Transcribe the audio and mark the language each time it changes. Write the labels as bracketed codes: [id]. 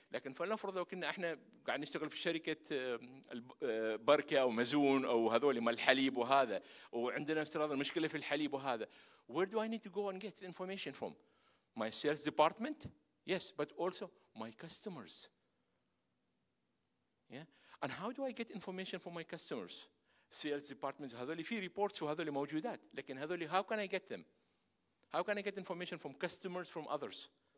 [ar] لكن فلنفرض لو كنا احنا قاعد نشتغل في شركة بركة أو مزون أو هذول مال الحليب وهذا، وعندنا افتراض المشكلة في الحليب وهذا. [en] Where do I need to go and get the information from? My sales department? Yes, but also my customers. Yeah. And how do I get information from my customers? Sales department, [ar] هذول في reports وهذول موجودات. لكن هذول [en] how can I get them? How can I get information from customers, from others?